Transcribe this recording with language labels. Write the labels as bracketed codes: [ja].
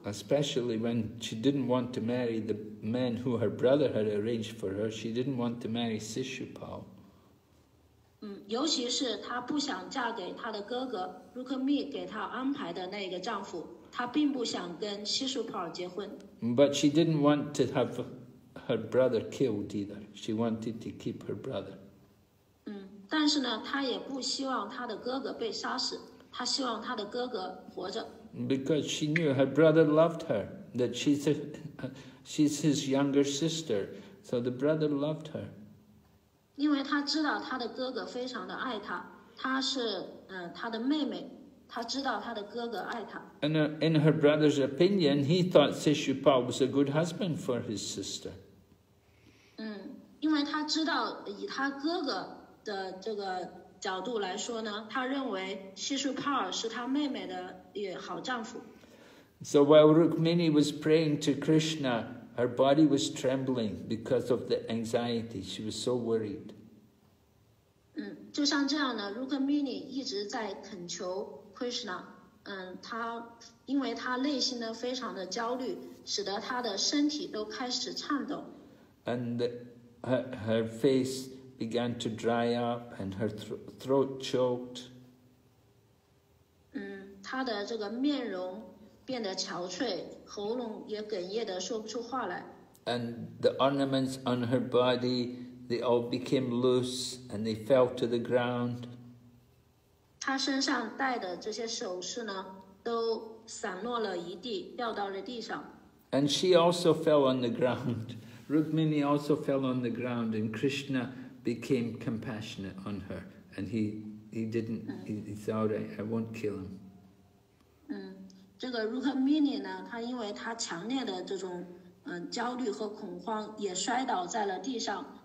[en] Especially when she didn't want to marry the man who her brother had arranged for her, she didn't want to marry Sishupal. [zh] 尤其是她不想嫁给她的哥哥 Rukmi 给她安排的那个丈夫，她并不想跟 Sishupal 结婚。 [en] But she didn't want to have her brother killed either. She wanted to keep her brother. [zh] 但是呢，她也不希望她的哥哥被杀死。她希望她的哥哥活着。 [en] Because she knew her brother loved her, that she's his younger sister, so the brother loved her. [zh] 因为她知道她的哥哥非常的爱她，她是她的妹妹，她知道她的哥哥爱她。 [en] And in her brother's opinion, he thought Sishupal was a good husband for his sister. [zh] 因为她知道以她哥哥的这个。角度来说呢，他认为西苏帕尔是他妹妹的好丈夫。 [en] So while Rukmini was praying to Krishna, her body was trembling because of the anxiety. She was so worried. [zh] 就像这样呢 ，Rukmini 一直在恳求 Krishna。他因为他内心呢非常的焦虑，使得他的身体都开始颤抖。 [en] And her face. Began to dry up and her throat choked. [zh] 她的这个面容变得憔悴，喉咙也哽咽的说不出话来。 [en] And the ornaments on her body, they all became loose and they fell to the ground. [zh] 她身上戴的这些首饰呢，都散落了一地，掉到了地上。 [en] And she also fell on the ground. Rukmini also fell on the ground, and Krishna. Became compassionate on her, and he thought, I won't kill him. [zh] 这个 Rukmini 呢，他因为他强烈的这种焦虑和恐慌，也摔倒在了地上。